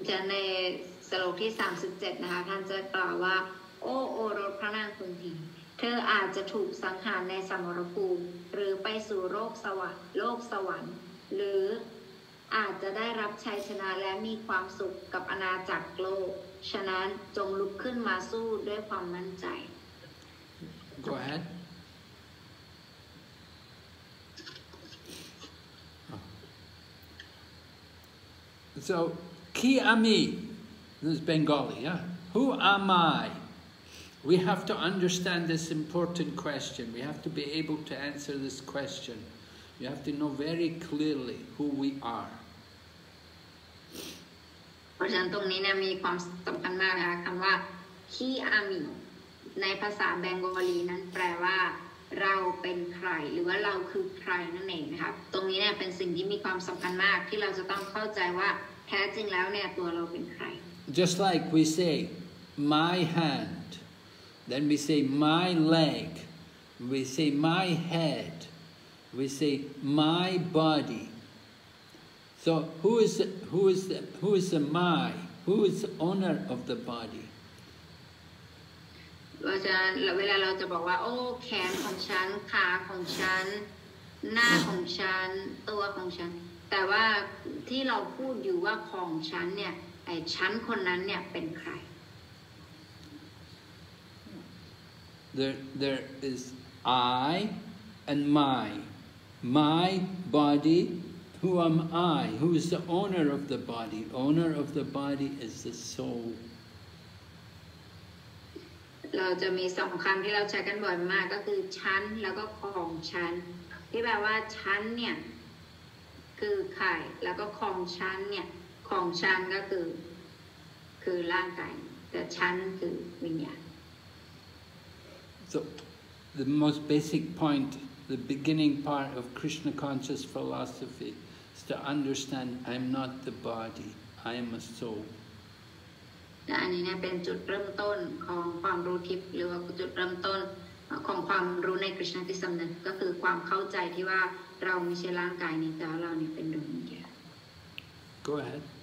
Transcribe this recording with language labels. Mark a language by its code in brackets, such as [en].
[th] ในสโลกที่37นะคะท่านจะกล่าวว่าโอรสพระนางคุณทีเธออาจจะถูกสังหารในสมรภูมิหรือไปสู่โลกสวรรค์หรืออาจจะได้รับชัยชนะและมีความสุขกับอาณาจักรโลกฉะนั้นจงลุกขึ้นมาสู้ด้วยความมั่นใจ [en] Go ahead So Ki Ami This is Bengali, yeah? Who am I? We have to understand this important question We have to be able to answer this question You have to know very clearly who we are [th] เพราะฉะนั้นตรงนี้เนี่ยมีความสำคัญมากนะคำว่าขี้อามิในภาษาแบงกอลีนั้นแปลว่าเราเป็นใครหรือว่าเราคือใครนั่นเองนะครับตรงนี้เนี่ยเป็นสิ่งที่มีความสำคัญมากที่เราจะต้องเข้าใจว่าแท้จริงแล้วเนี่ยตัวเราเป็นใคร [en] Just like we say my hand then we say my leg we say my head we say my bodySo who is the my who is the owner of the body [th] เราจะเวลาเราจะบอกว่าโอ้แขนของฉันขาของฉันหน้าของฉันตัวของฉันแต่ว่าที่เราพูดอยู่ว่าของฉันเนี่ยไอ้ฉันคนนั้นเนี่ยเป็นใคร [en] there is I and my bodyWho am I? Who is the owner of the body? Owner of the body is the soul. [th] เราจะมีสองคำที่เราใช้กันบ่อยมากก็คือฉันแล้วก็ของฉันที่แปลว่าฉันเนี่ยคือใครแล้วก็ของฉันเนี่ยของฉันก็คือร่างกายแต่ฉันคือวิญญาณ [en] So the most basic pointThe beginning part of Krishna conscious philosophy is to understand I'm not the body, I am a soul. Go ahead.